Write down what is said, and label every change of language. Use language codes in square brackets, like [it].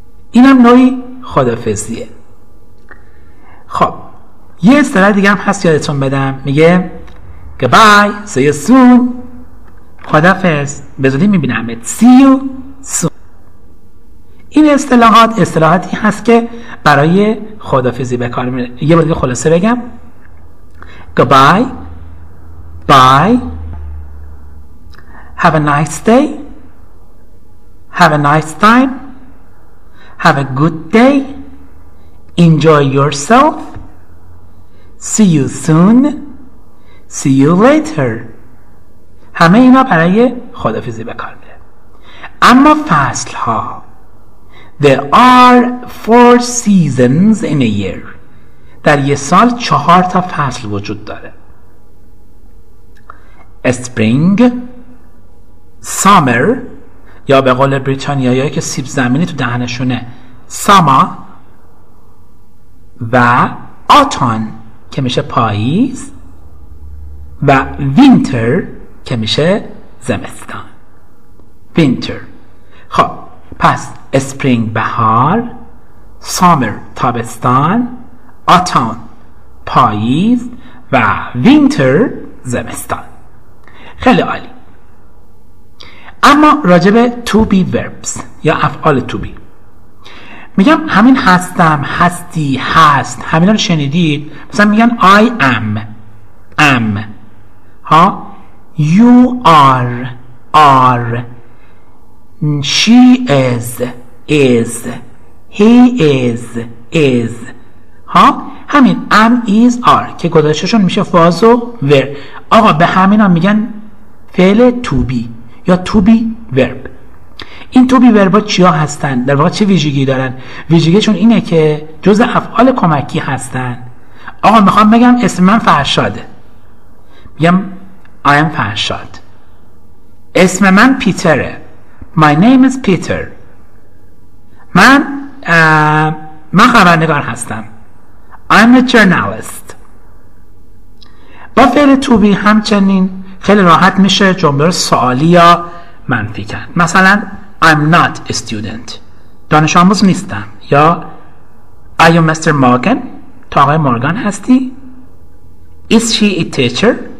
[fa] اینم نوعی خدافظیه. خب یه اصطلاح دیگه هم هست یادتون بدم، میگه [en] goodbye, see you soon. [fa] خدافظ، به زودی میبینمت. [en] see you soon. [fa] این اصطلاحات اصطلاحاتی هست که برای خدافظی به کار میره. یه بار دیگه خلاصه بگم. [en] goodbye, bye, have a nice day, have a nice time, have a good day, enjoy yourself, see you soon, see you later. [fa] همه اینا برای خدافظی به کار میره. اما فصل ها، [en] there are 4 seasons in a year. [fa] در یه سال 4 تا فصل وجود داره. spring، summer، یا به قول بریتانیایی که سیب زمینی تو دهنشونه summer، و autumn که میشه پاییز، و winter که میشه زمستان. [en] winter. [fa] خب پس spring بهار، summer تابستان، autumn پاییز، و winter زمستان. خیلی عالی. اما راجب to be verbs یا افعال to be، میگم همین هستم، هستی، هست، همین رو شنیدید. مثلا میگن [en] I am، am. ها you are، are. she is، is. he is، is. [fa] ها همین am، is، are که گذاشتشون میشه was و were. آقا به همین هم میگن فعل to be یا to be verb. این to be verb ها چیا هستن؟ در واقع چه ویژگی دارن؟ ویژگیشون اینه که جز افعال کمکی هستن. آقا میخوام بگم اسم من فرشاده، میگم [en] I am Farshad. [fa] اسم من پیتره، [en] My name is Peter. [fa] من خبرنگار هستم، [en] I am a journalist. [fa] با فعل to be همچنین خیلی راحت میشه جمله رو سوالی یا منفی کرد. مثلا [en] I'm not a student، [fa] دانش آموز نیستم، یا [en] Are you Mr. Morgan? [fa] تو آقای مورگان هستی؟ [en] Is she a teacher?